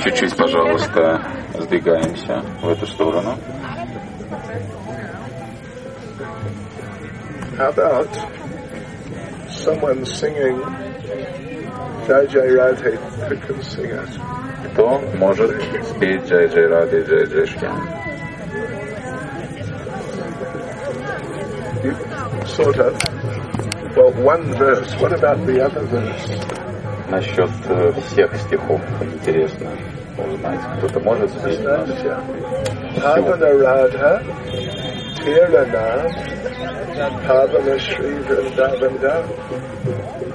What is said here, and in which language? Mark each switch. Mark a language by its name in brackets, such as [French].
[Russian] Чуть-чуть, пожалуйста, сдвигаемся в эту сторону. [English] How about someone singing Jai Jai Radhe? Who can sing it? [Russian] Кто может спеть Jai Jai Radhe, Jai Jai Shri? [English] Sort of. Well, one verse. What about the other verse? [Russian] Насчет всех стихов интересно узнать. Кто-то может спеть? Pavana Radha, Tirana, Pavana Shri Vrindavanda.